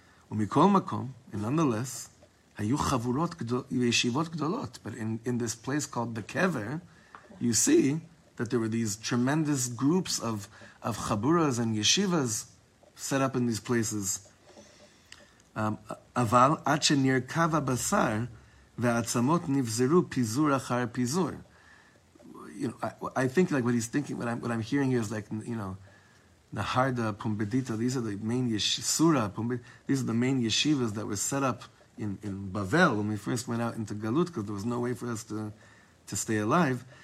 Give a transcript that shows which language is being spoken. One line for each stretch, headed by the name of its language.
Hebrew: Umikol makom,
English: and nonetheless,
Hebrew: היו חבורות וישיבות גדולות.
English: But in this place called the Kever, you see that there were these tremendous groups of chaburas and yeshivas set up in these places.
Hebrew: אבל עד שנרקב הבשר והעצמות נבזרו פיזור אחר פיזור.
English: You know, I think like what he's thinking, what I'm hearing here is like, you know, Naharda, Pumbedita, these are the main yeshura, these are the main yeshivas that were set up in Bavel, when we first went out into Galut, because there was no way for us to stay alive.